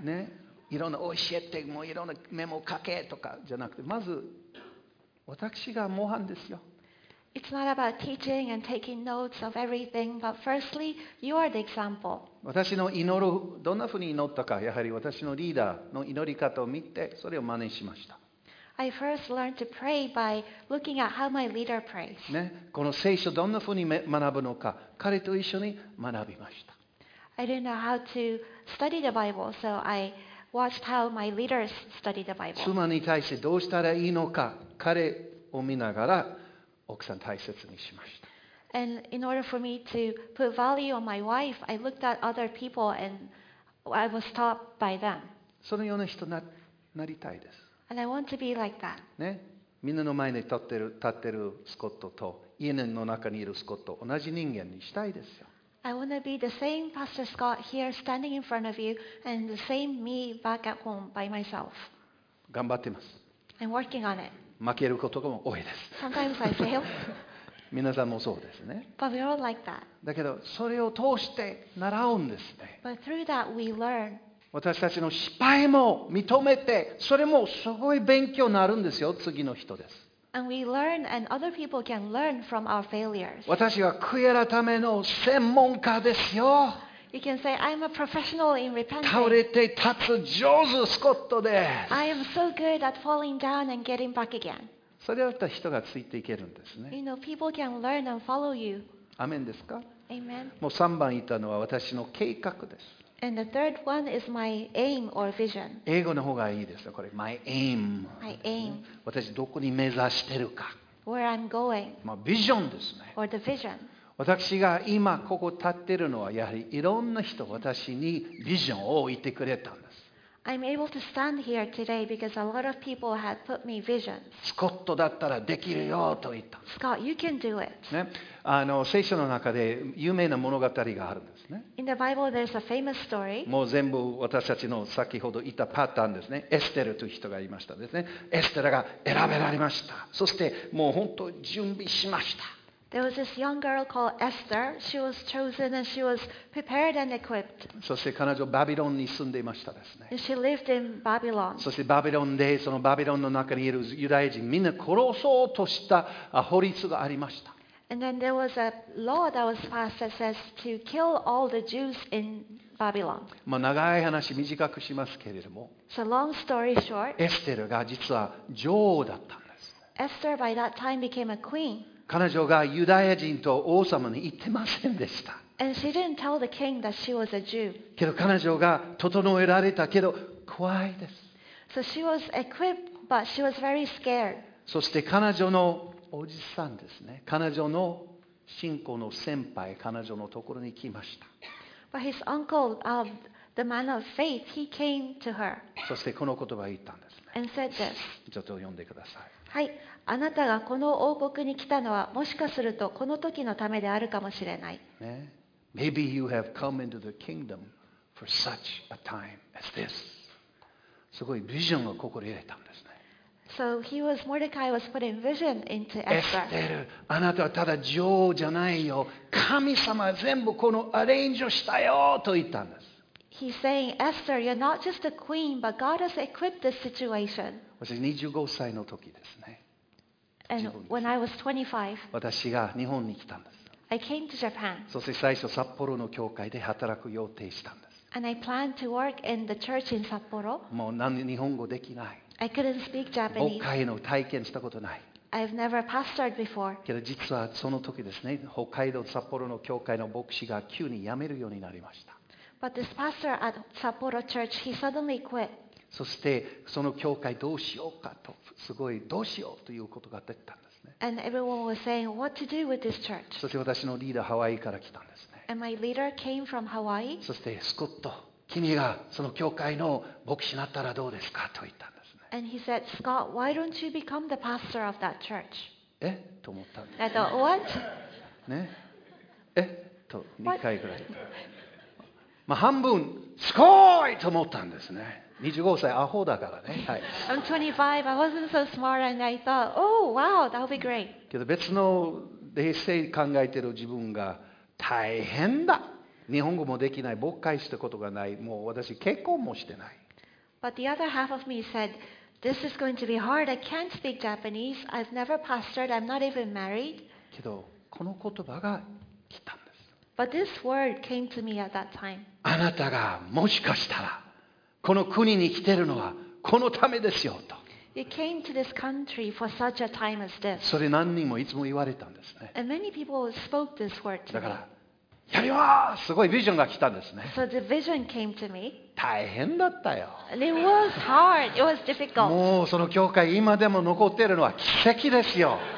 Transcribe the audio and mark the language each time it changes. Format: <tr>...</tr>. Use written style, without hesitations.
<ja>ね。いろんな教えて、もういろんなメモを書けとかじゃなくて、まず私が模範ですよ。</ja> <en>It's not about teaching and taking notes of everything, but firstly, you are the example.</en> <ja>私の祈る、どんなふうに祈ったか、やはり私のリーダーの祈り方を見て、それを真似しました。</ja> <en>I first learned to pray by looking at how my leader prays.</en> <ja>ね、この聖書どんなふうに学ぶのか、彼と一緒に学びました。</ja> <en>I didn't know how to study the Bible, so I watched how my leaders study the Bible.</en> <ja>妻に対してどうしたらいいのか、彼を見ながら奥さん大切にしました。</ja> <en>And in order for me to put value on my wife, I looked at other people and I was taught by them.</en> <ja>そのような人になりたいです。</ja> <en>And I want to be like that.</en> <ja>ね、みんなの前に立ってるスコットと家の中にいるスコット、同じ人間にしたいですよ。</ja> <en>I want to be the same Pastor Scott here standing in front of you and the same me back at home by myself.</en> <ja>頑張ってます。</ja> <en>I'm working on it.</en> <ja>負けることも多いです。</ja> <en>Sometimes I fail.</en> <ja>皆さんもそうですね。</ja> <en>But we're all like that.</en> <ja>だけどそれを通して習うんですね。</ja> <en>But through that we learn.</en> <ja>私たちの失敗も認めて、それもすごい勉強になるんですよ、次の人です。</ja> <en>And we learn, and other people can learn from our failures.</en> <ja>私は悔い改めの専門家ですよ。</ja> <en>You can say I'm a professional in repentance.</en> <ja>倒れて立つ上手スコットです。</ja> <en>I am so good at falling down and getting back again.</en> <ja>それだったら人がついていけるんですね。</ja> <en>You know, people can learn and follow you.</en> <ja>アメンですか？</ja> <en>Amen.</en> <ja>もう3番言ったのは私の計画です。</ja> <en>And the third one is my aim or vision.</en> <ja>英語の方がいいですよ。これ</ja> <en>my aim。 My aim。</en> <ja>私どこに目指してるか。</ja> <en>Where I'm going。</en> <ja>まあビジョンですね。</ja> <en>Or the vision。</en> <ja>私が今ここ立ってるのはやはりいろんな人私にビジョンを置いてくれたんです。</ja> <en>I'm able to stand here today because a lot of people had put me visions.</en> <ja>スコットだったらできるよと言った。</ja> <en>Scott, you can do it.</en> <ja>ね、あの聖書の中で有名な物語があるんですね。</ja> <en>In the Bible, there's a famous story.</en> <ja>もう全部私たちの先ほど言ったパターンですね。エステルという人がいましたですね。エステルが選べられました。そしてもう本当準備しました。</ja> <en>There was this young girl called Esther. She was chosen and she was prepared and equipped.</en> <ja>そして彼女バビロンに住んでいましたですね。</ja> <en>And she lived in Babylon.</en> <ja>そしてバビロンでそのバビロンの中にいるユダヤ人みんな殺そうとした法律がありました。</ja> <en>And then there was a law that was passed that says to kill all the Jews in Babylon.</en> <ja>まあ長い話短くしますけれども。</ja> <en>So long story short.</en> <ja>エステルが実は女王だったんです。</ja> <en>Esther by that time became a queen.</en> <ja>彼女がユダヤ人と王様に言ってませんでした。</ja> <en>And she didn't tell the king that she was a Jew.</en> <ja>けど彼女が整えられたけど怖いです。</ja> <en>So she was equipped, but she was very scared.</en> <ja>そして彼女のおじさんですね。彼女の信仰の先輩、彼女のところに来ました。</ja> <en>But his uncle, the man of faith, he came to her.</en> <ja>そしてこの言葉を言ったんですね。</ja> <en>And said this.</en> <ja>ちょっと読んでください。はい、あなたがこの王国に来たのはもしかするとこの時のためであるかもしれない。</ja> <en>Maybe you have come into the kingdom for such a time as this.</en> <ja>すごいビジョンを心に入れたんですね。</ja> <en>So he was Mordecai was putting vision into Esther.</en> <ja>Esther, あなたはただ女王じゃないよ。神様は全部このアレンジをしたよと言ったんです。</ja> <en>He's saying, Esther, you're not just a queen, but God has equipped this situation.</en> <ja>私25歳の時ですね。</ja> <en>And when I was 25,</en> <ja>私が日本に来たんです。</ja> <en>I came to Japan.</en> <ja>そして最初、札幌の教会で働く予定したんです。</ja> <en>And I planned to work in the church in Sapporo.</en> <ja>もう何日本語できない。</ja> <en>I couldn't speak Japanese.</en> <ja>牧会の体験したことない。</ja> <en>I've never pastored before.</en> <ja>けど実はその時ですね、北海道札幌の教会の牧師が急に辞めるようになりました。</ja> <en>But this pastor at Sapporo Church, he suddenly quit.</en> <ja>そしてその教会どうしようかとすごいどうしようということが出たんですね。</ja> <en>And everyone was saying what to do with this church.</en> <ja>そして私のリーダーハワイから来たんですね。</ja> <en>And my leader came from Hawaii.</en> <ja>そしてスコット、君がその教会の牧師になったらどうですかと言ったんですね。</ja> <en>And he said, Scott, why don't you become the pastor of that church?</en> <ja>え？と思ったんです。</ja> <en>I thought what?</en> <ja>ね？え？と2回ぐらい。まあ、半分すごいと思ったんですね。 25歳アホだからね。はい、</ja> <en>I'm 25. I wasn't so smart and I thought, oh wow, that'll be great.</en> <ja>けど別の冷静に考えてる自分が大変だ。日本語もできない、勃会したことがない、もう私結婚もしてない。</ja> <en>But the other half of me said, this is going to be hard. I can't speak Japanese. I've never pastored. I'm not even married.</en> <ja>けどこの言葉が来た。</ja> <en>But this word came to me at that time.</en> <ja>あなたがもしかしたらこの国に来てるのはこのためですよと。</ja> <en>You came to this country for such a time as this.</en> <ja>それ何人もいつも言われたんですね。</ja> <en>And many people spoke this word to</en> <ja>me. だからやりまーす、すごいビジョンが来たんですね。</ja> <en>So the vision came to me.</en> <ja>大変だったよ。</ja> <en>And it was hard. It was difficult.</en> <ja>もうその教会今でも残ってるのは奇跡ですよ。</ja>